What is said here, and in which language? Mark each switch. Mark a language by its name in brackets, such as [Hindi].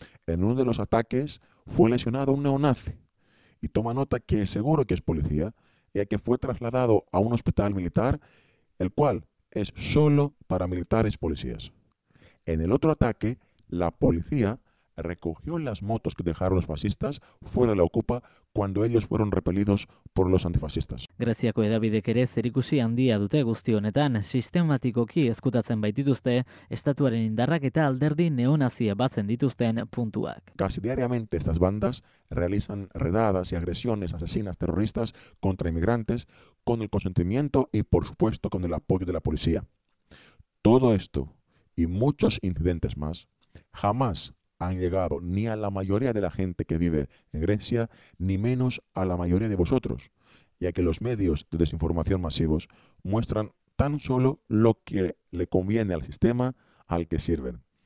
[Spanish] En uno de los ataques fue lesionado un neonazi y toma nota que seguro que es policía y que fue trasladado a un hospital militar, el cual es solo para militares policías. En el otro ataque, la policía recogió las motos que dejaron los fascistas fuera de la ocupa cuando ellos fueron repelidos por los antifascistas. [Basque] Greziako edabidek ere zerikusi handia dute guzti honetan, sistematikoki ezkutatzen baitituzte estatuaren indarrak eta alderdi neonazia batzen dituzten puntuak. [Spanish] Casi diariamente estas bandas realizan redadas y agresiones asesinas terroristas contra inmigrantes con el consentimiento y por supuesto con el apoyo de la policía. Todo esto y muchos incidentes más jamás han llegado ni a la mayoría de la gente que vive en Grecia, ni menos a la mayoría de vosotros, ya que los medios de desinformación masivos muestran tan solo lo que le conviene al sistema al que sirven.